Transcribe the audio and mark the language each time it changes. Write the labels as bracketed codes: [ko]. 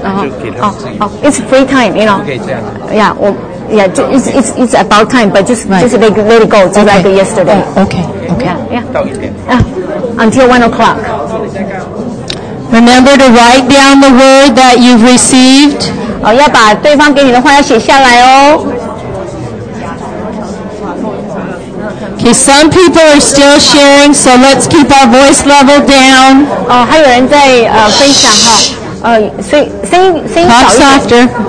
[en] Oh, it's free time, you know. Yeah, well, yeah. It's about time, but just let it go, just okay. Like yesterday. Okay. Yeah. Until 1 o'clock. Remember to write down the word that you've received. [zh] 要把对方给你的话要写下来哦。 [en] Okay, some people are still sharing, so let's keep our voice level down. [zh] 还有人在分享哈，声音小一点。